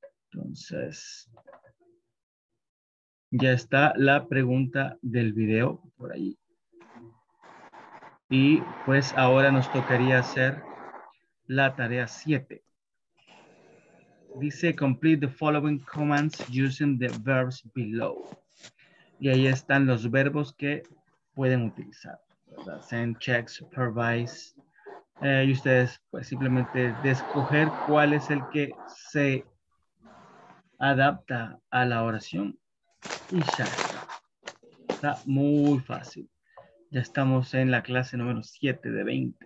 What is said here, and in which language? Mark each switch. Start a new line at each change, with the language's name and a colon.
Spanish: Entonces, ya está la pregunta del video por ahí. Y pues ahora nos tocaría hacer la tarea 7.
English: Dice, complete the following commands using the verbs below.
Spanish: Y ahí están los verbos que pueden utilizar.
English: Send, check, supervise.
Spanish: Y ustedes, pues simplemente de escoger cuál es el que se adapta a la oración. Y ya está. Está muy fácil. Ya estamos en la clase número 7 de 20.